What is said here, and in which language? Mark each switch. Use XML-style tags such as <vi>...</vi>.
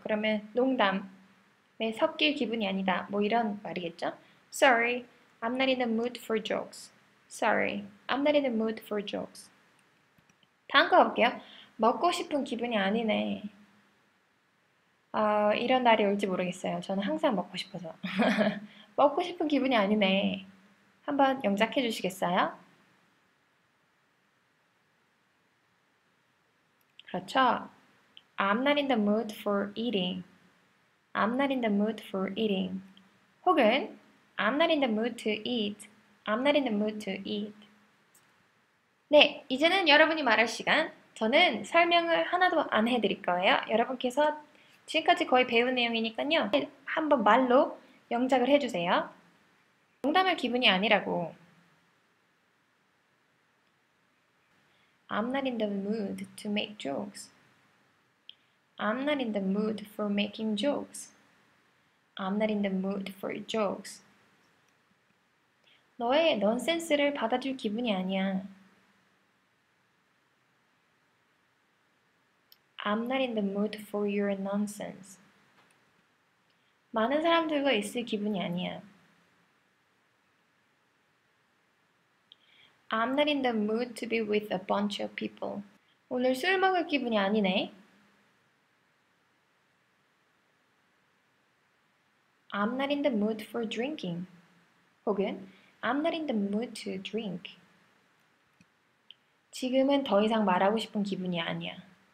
<ko>그러면 농담에 섞일 기분이 아니다. 뭐 이런 말이겠죠?</ko> <en>Sorry, I'm not in the mood for jokes. Sorry, I'm not in the mood for jokes.</en> <ko>다음 거 볼게요. 먹고 싶은 기분이 아니네. 이런 날이 올지 모르겠어요. 저는 항상 먹고 싶어서. 먹고 싶은 기분이 아니네. 한번 영작해 주시겠어요? 그렇죠?</ko> <en>I'm not in the mood for eating. I'm not in the mood for eating.</en> <ko>혹은</ko> <en>I'm not in the mood to eat. I'm not in the mood to eat.</en> <ko>네, 이제는 여러분이 말할 시간. 저는 설명을 하나도 안 해드릴 거예요. 여러분께서 지금까지 거의 배운 내용이니까요. 한번 말로 영작을 해주세요. 농담할 기분이 아니라고.</ko> <en>I'm not in the mood to make jokes. I'm not in the mood for making jokes. I'm not in the mood for jokes.</en> <ko>너의 넌센스를 받아줄 기분이 아니야.</ko> <en>I'm not in the mood for your nonsense.</en> <ko>많은 사람들과 있을 기분이 아니야.</ko> <en>I'm not in the mood to be with a bunch of people.</en> <ko>오늘 술 먹을 기분이 아니네.</ko> <en>I'm not in the mood for drinking.</en> <ko>혹은</ko> <en>I'm not in the mood to drink.</en> <ko>지금은 더 이상 말하고 싶은 기분이 아니야.</ko>